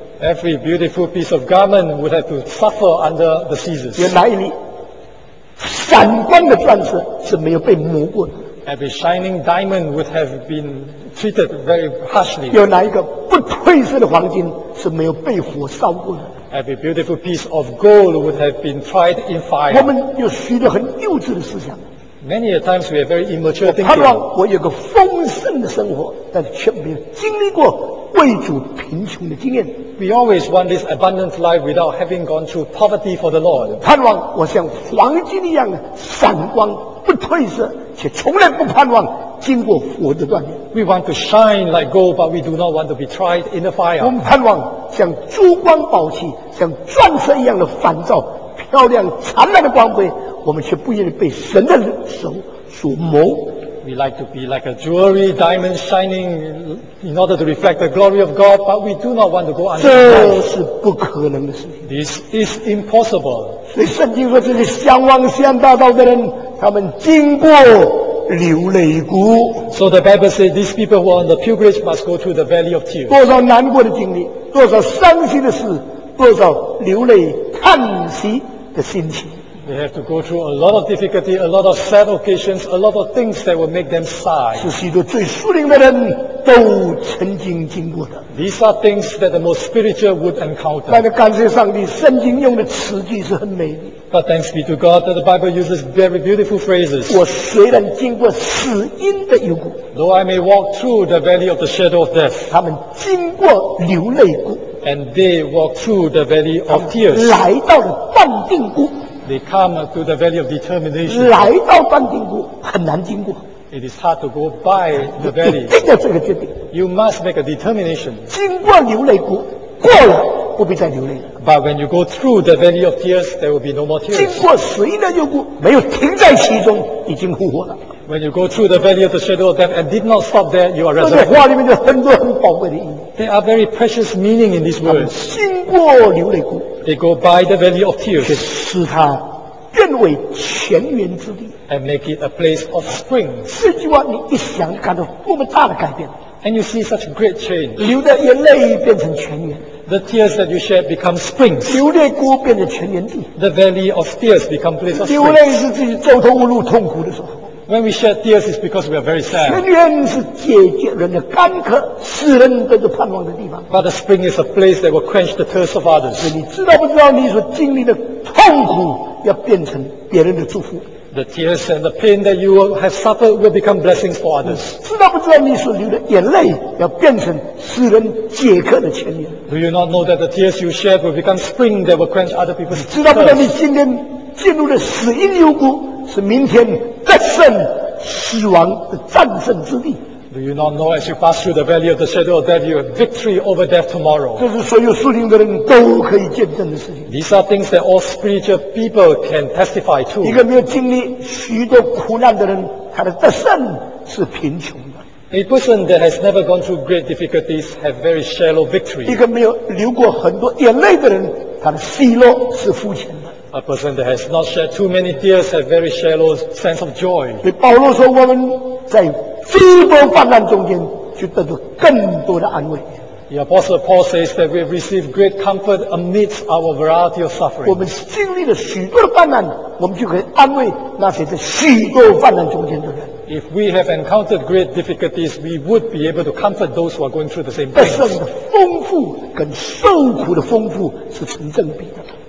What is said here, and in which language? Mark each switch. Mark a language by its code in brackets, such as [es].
[en] Every beautiful piece of garment would have to suffer under the scissors. [zh] 有哪一粒闪光的钻石是没有被磨过的？ [en] Every shining diamond would have been treated very harshly. [zh] 有哪一个不褪色的黄金是没有被火烧过的？ [en] Every beautiful piece of gold would have been tried in fire. [zh] 我们有许多很幼稚的思想。 [en] Many a times we are very immature thinking. [zh] 我盼望我有个丰盛的生活，但却没有经历过为主贫穷的经验。 [en] We always want this abundant life without having gone through poverty for the Lord. [zh] 盼望我像黄金一样的闪光，不褪色，且从来不盼望经过火的锻炼。 [en] We want to shine like gold, but we do not want to be tried in the fire. [zh] 我们盼望像珠光宝气，像钻石一样的反照，漂亮灿烂的光辉，我们却不愿意被神的手所磨。 [en] We like to be like a jewelry, diamond shining in order to reflect the glory of God, but we do not want to go under the fire. [zh] 这是不可能的事情。 [en] This is impossible. [zh] 所以圣经说，这些向往西安大道的人，他们经过流泪谷。 [en] So the Bible says these people who are on the pilgrimage must go through the valley of tears. [zh] 多少难过的经历，多少伤心的事，多少流泪叹息的心情。 [en] They have to go through a lot of difficulty, a lot of sad occasions, a lot of things that will make them sigh. [zh] 是许多最属灵的人都曾经经过的。 [en] These are things that the most spiritual would encounter. [zh] 但是感谢上帝，圣经用的词句是很美的。 [en] But thanks be to God that the Bible uses very beautiful phrases. [zh] 我虽然经过死荫的幽谷。 [en] Though I may walk through the valley of the shadow of death. [zh] 他们经过流泪谷。 [en] And they walk through the valley of tears. [zh] 来到了断定谷。 [en] They come to the valley of determination. [zh] 来到断定谷很难经过。 [en] It is hard to go by the valley. [zh] 你一定要这个决定。 [en] You must make a determination. [zh] 经过流泪谷，过了不必再流泪。 [en] But when you go through the valley of tears, there will be no more tears. [zh] 经过死荫的幽谷，没有停在其中，已经复活了。 [en] When you go through the valley of the shadow of death and did not stop there, you are resurrected. [zh] 这话里面有很多很宝贵的意义。 [en] There are very precious meaning in these words. [zh] 经过流泪谷。 [en] They go by the valley of tears. [zh] 却使它变为泉源之地。 [en] And make it a place of springs. [zh] 这句话你一想就看到多么大的改变。 [en] And you see such great change. [zh] 流的眼泪变成泉源。 [en] The tears that you shed become springs. [zh] 流泪谷变成泉源地。 [en] The valley of tears become place of springs. [zh] 流泪是自己走投无路痛苦的时候。 [en] When we shed tears, it's because we are very sad. [zh] 泉源是解决人的干渴、使人得到盼望的地方。 [en] But the spring is a place that will quench the thirst of others. [zh] 所以你知道不知道，你所经历的痛苦要变成别人的祝福。 [en] the tears and the pain that you have suffered will become blessings for others. [zh] 知道不知道你所流的眼泪要变成世人解渴的泉源？ [en] Do you not know that the tears you shed will become spring that will quench other people's thirst? [zh] 知道不知道你今天进入的死荫幽谷是明天得胜死亡的战胜之地？ [en] Do you not know as you pass through the valley of the shadow of death, you have victory over death tomorrow? [zh] 这是所有属灵的人都可以见证的事情。 [en] These are things that all spiritual people can testify to. [zh] 一个没有经历许多苦难的人，他的得胜是贫穷的。 [en] A person that has never gone through great difficulties have very shallow victory. [zh] 一个没有流过很多眼泪的人，他的失落是肤浅的。 [en] A person that has not shed too many tears has a very shallow sense of joy. [zh] 对保罗说，我们在风波泛滥中间，就得到更多的安慰。 [en] The Apostle Paul says that we have received great comfort amidst our variety of suffering. [zh] 我们经历了许多的泛滥，我们就可以安慰那些在许多泛滥中间的人。 [en] If we have encountered great difficulties, we would be able to comfort those who are going through the same things. [zh] 得胜的丰富跟受苦的丰富是成正比的。